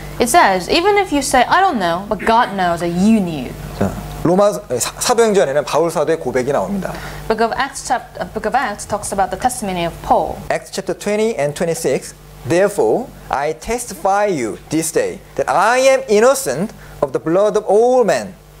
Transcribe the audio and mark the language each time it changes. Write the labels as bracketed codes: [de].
[en] It says, even if you say, I don't know, but God knows that you knew. [ko] 자, 로마 사도행전에는 바울 사도의 고백이 나옵니다. [en] Book of Acts, chapter, Book of Acts talks about the testimony of Paul. Acts chapter 20 and 26. Therefore, I testify you this day that I am innocent of the blood of all men.